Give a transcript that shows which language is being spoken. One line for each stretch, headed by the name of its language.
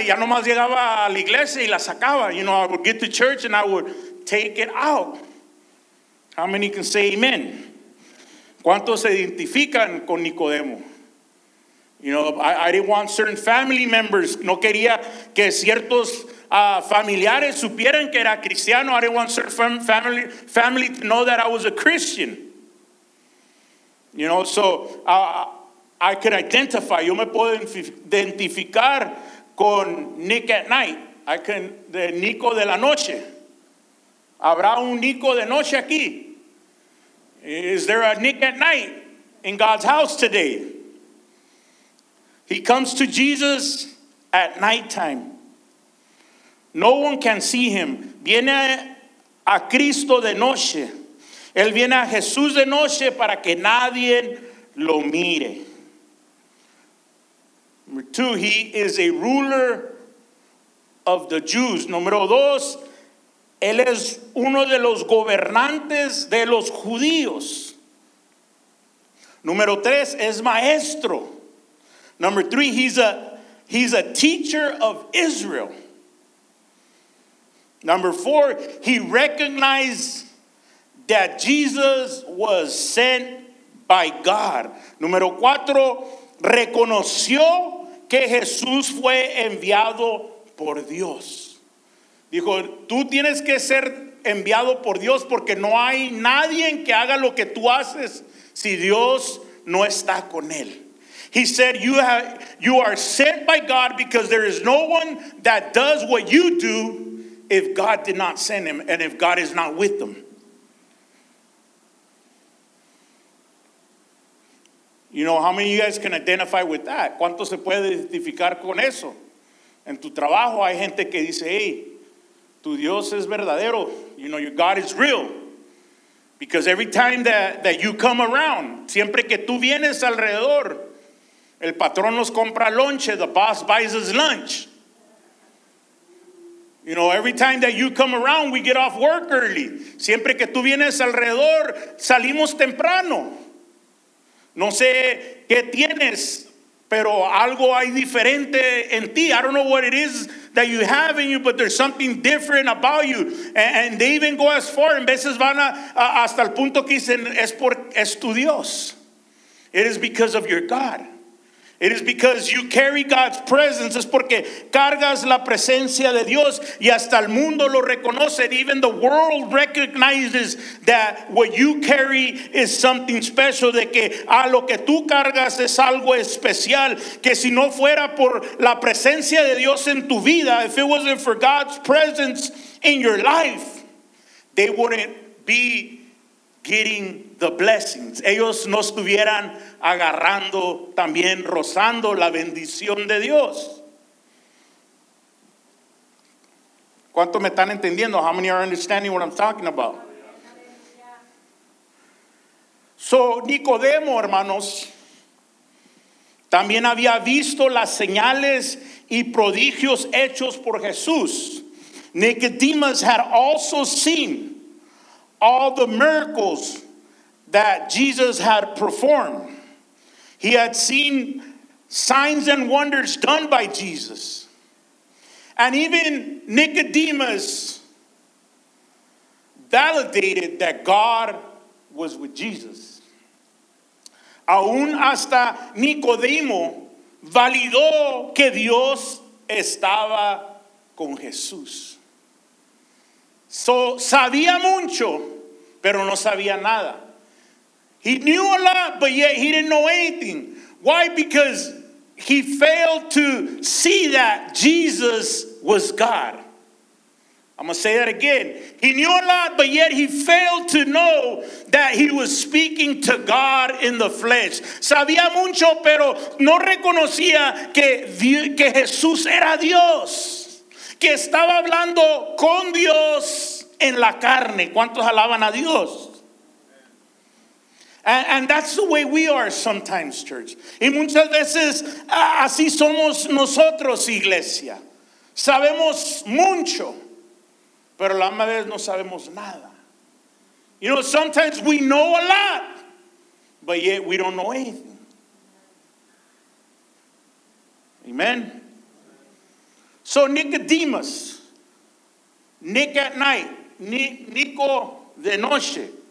Spanish: Y ya nomás llegaba a la iglesia y la sacaba.
English: You know, I would get to church and I would take it out. How many can say amen?
Spanish: ¿Cuántos se identifican con Nicodemo?
English: You know, I didn't want certain family members.
Spanish: No quería que ciertos familiares supieran que era cristiano.
English: I didn't want certain family to know that I was a Christian. You know, so I could identify.
Spanish: Yo me puedo identificar con Nick at night.
English: I can, the
Spanish: Nico de la noche. ¿Habrá un Nico de noche aquí?
English: Is there a Nick at night in God's house today? He comes to Jesus at nighttime. No one can see him.
Spanish: Viene a Cristo de noche. Él viene a Jesús de noche para que nadie lo mire.
English: Number two, he is a ruler of the Jews.
Spanish: Número dos, él es uno de los gobernantes de los judíos. Número tres, es maestro.
English: Number three, he's a teacher of Israel. Number four, he recognized that Jesus was sent by God.
Spanish: Número cuatro, reconoció que Jesús fue enviado por Dios. Dijo, tú tienes que ser enviado por Dios porque no hay nadie que haga lo que tú haces si Dios no está con él.
English: He said, you are sent by God because there is no one that does what you do if God did not send him and if God is not with them. You know, how many of you guys can identify with that?
Spanish: ¿Cuánto se puede identificar con eso? En tu trabajo hay gente que dice, hey, tu Dios es verdadero.
English: You know, your God is real. Because every time that you come around,
Spanish: siempre que tú vienes alrededor, el patrón nos compra
English: lunch, the boss buys us lunch. You know, every time that you come around, we get off work early.
Spanish: Siempre que tú vienes alrededor, salimos temprano. No sé qué tienes, pero algo hay diferente en ti.
English: I don't know what it is that you have in you, but there's something different about you. And they even go as far,
Spanish: en veces van hasta el punto que dicen, es tu Dios.
English: It is because of your God. It is because you carry God's presence.
Spanish: Es porque cargas la presencia de Dios y hasta el mundo lo reconoce.
English: Even the world recognizes that what you carry is something special.
Spanish: De que lo que tú cargas es algo especial. Que si no fuera por la presencia de Dios en tu vida,
English: if it wasn't for God's presence in your life, they wouldn't be getting the blessings.
Spanish: Ellos no estuvieran agarrando, también rozando la bendición de Dios. ¿Cuánto me están entendiendo?
English: How many are understanding what I'm talking about?
Spanish: So, Nicodemo, hermanos, también había visto las señales y prodigios hechos por Jesús.
English: Nicodemus had also seen all the miracles that Jesus had performed. He had seen signs and wonders done by Jesus. And even Nicodemus validated that God was with Jesus.
Spanish: Aún hasta Nicodemo validó que Dios estaba con Jesús. So, sabía mucho, pero no sabía nada.
English: He knew a lot, but yet he didn't know anything. Why? Because he failed to see that Jesus was God. I'm going to say that again. He knew a lot, but yet he failed to know that he was speaking to God in the flesh.
Spanish: Sabía mucho, pero no reconocía que Jesús era Dios. Que estaba hablando con Dios en la carne. ¿Cuántos alaban a Dios?
English: And that's the way we are sometimes, church.
Spanish: Y muchas veces así somos nosotros, iglesia. Sabemos mucho, pero la misma vez no sabemos nada.
English: You know, sometimes we know a lot, but yet we don't know anything. Amen. So Nicodemus, Nick at night, Nico de noche.